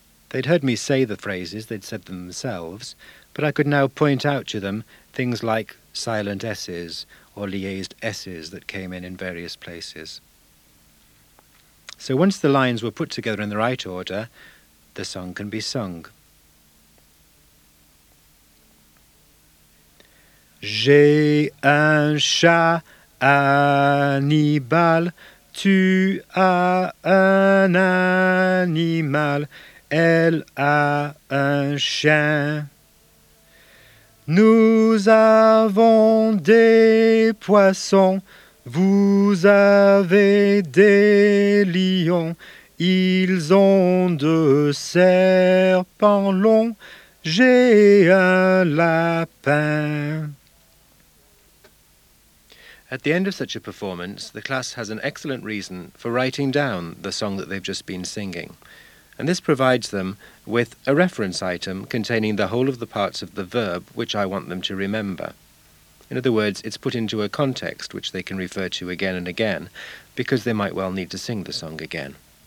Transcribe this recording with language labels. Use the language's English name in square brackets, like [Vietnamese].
[English] They'd heard me say the phrases, they'd said them themselves, but I could now point out to them things like silent S's or liaised S's that came in various places. So once the lines were put together in the right order, the song can be sung. [French] J'ai un chat Hannibal, tu as un animal, elle a un chien. Nous avons des poissons, vous avez des lions, ils ont deux serpents longs, j'ai un lapin. [English] At the end of such a performance, the class has an excellent reason for writing down the song that they've just been singing. And this provides them with a reference item containing the whole of the parts of the verb which I want them to remember. In other words, it's put into a context which they can refer to again and again, because they might well need to sing the song again.